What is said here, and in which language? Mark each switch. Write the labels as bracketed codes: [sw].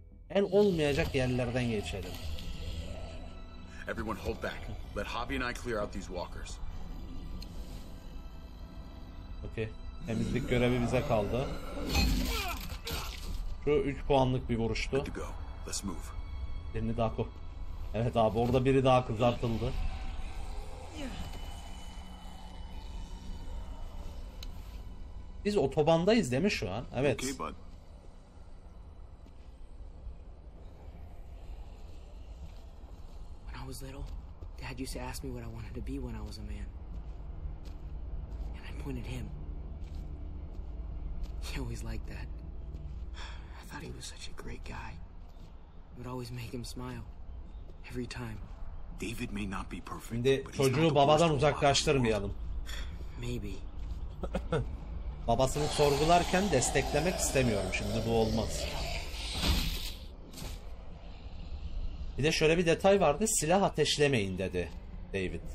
[tr] El olmayacak yerlerden geçelim. [en] Everyone hold back. Let Hobby and I clear out these walkers. Okay. [tr] Temizlik görevi bize kaldı. Şu 3 puanlık bir vuruştu. [en] Let's move. [tr] Birini daha kop. Evet abi, orada biri daha kızartıldı. Biz otobandayız değil mi şu an? Evet. [en] When I was little, Dad used to ask me what I wanted to be when I was a man. And I pointed him. He always liked that. I thought he was such a great guy. It would always make him smile. Every time. David may not be perfect, but [tr] çocuğu babadan uzaklaştırmayalım. [en] Maybe. [tr] Babasını sorgularken desteklemek istemiyorum. Şimdi bu olmaz. Bir de şöyle bir detay vardı. Silah ateşlemeyin dedi David.